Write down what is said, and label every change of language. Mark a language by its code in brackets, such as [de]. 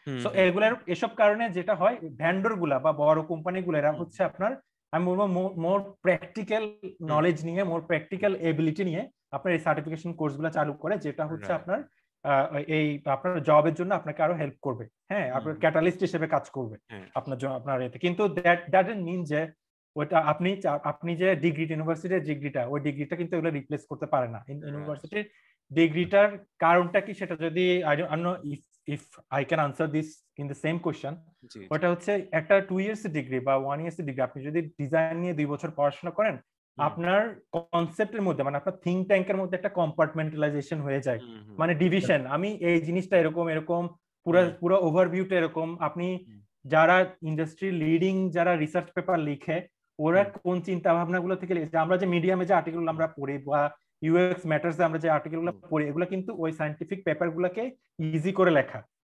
[bn] So এগুলার এসব কারণে যেটা হয় ভেন্ডর গুলা বা বড় কোম্পানি গুলো এরা হচ্ছে আপনার আমি বলবো মোর প্র্যাকটিক্যাল নলেজ নিয়ে মোর প্র্যাকটিক্যাল এবিলিটি নিয়ে আপনার এই সার্টিফিকেশন কোর্স গুলা চালু করে, যেটা হচ্ছে আপনার এই আপনার জবের জন্য আপনাকে আরো হেল্প করবে। হ্যাঁ, আপনার ক্যাটালিস্ট হিসেবে কাজ করবে আপনার জন্য আপনার এতে। কিন্তু [en] that doesn't mean [bn] যে ওইটা আপনি আপনি যে ডিগ্রিটা ইউনিভার্সিটির ডিগ্রিটা ওই ডিগ্রিটা কিন্তু এগুলো রিপ্লেস করতে পারে না। ইউনিভার্সিটির ডিগ্রিটার কারণটা কি সেটা যদি [en] If I can answer this in the same question. [bn] ওটা হচ্ছে একটা [en] 2 years degree [bn] বা [en] 1 year degree [bn] আপনি যদি ডিজাইন নিয়ে 2 বছর পড়াশোনা করেন আপনার কনসেপ্টের মধ্যে মানে আপনার থিঙ্ক ট্যাঙ্কের মধ্যে একটা কম্পার্টমেন্টালাইজেশন হয়ে যায়, মানে ডিভিশন আমি এই জিনিসটা এরকম এরকম পুরো ওভারভিউটা এরকম। আপনি যারা ইন্ডাস্ট্রি লিডিং যারা রিসার্চ পেপার লিখে ওরা কোন চিন্তা ভাবনা গুলো থেকে লিখে, আমরা যে মিডিয়ামে যে আর্টিকেল আমরা পড়ি বা UX matters আমরা যে আর্টিকেল গুলো পড়ি এগুলো কিন্তু ওই সাইন্টিফিক পেপার গুলাকে ইজি করে লেখা।